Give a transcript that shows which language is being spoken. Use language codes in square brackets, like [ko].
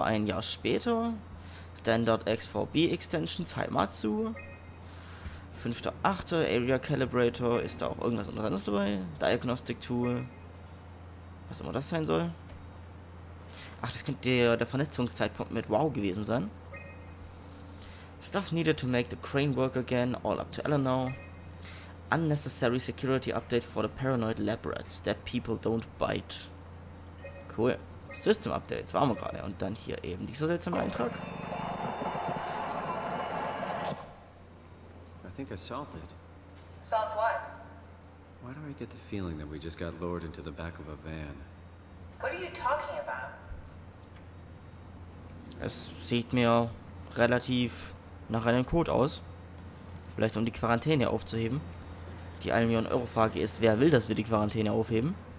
[de] Ein Jahr später. Standard XVB Extensions. Heimatsu. 5.08. Area Calibrator. Ist da auch irgendwas anderes dabei? Diagnostic Tool. Was immer das sein soll. Ach, das könnte der Vernetzungszeitpunkt mit WoW gewesen sein. [en] Stuff needed to make the crane work again, all up to Eleanor. Unnecessary security update for the paranoid lab rats that people don't bite. [de] Cool. System updates, waren wir gerade. Und dann hier eben dieser seltsame Eintrag. [en] I think I solved it. Solved what? Why do I get the feeling that we just got lured into the back of a van? What are you talking about? [de] Es sieht mir relativ nach einem Code aus. Vielleicht um die Quarantäne aufzuheben. Die 1-Million-Euro-Frage ist, wer will, dass wir die Quarantäne aufheben?